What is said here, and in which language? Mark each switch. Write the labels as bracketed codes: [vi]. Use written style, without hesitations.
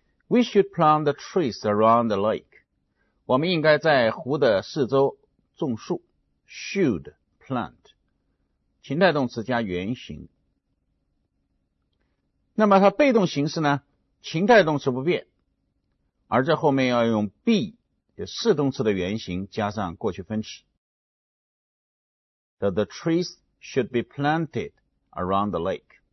[en] We should plant the trees around the lake. [zh] 我们应该在湖的四周种树。 [en] Should plant. [zh] 情态动词加原形。那么它被动形式呢？情态动词不变。而这后面要用 be, 就是动词的原形加上过去分词。 [en] That the trees should be planted around the lake.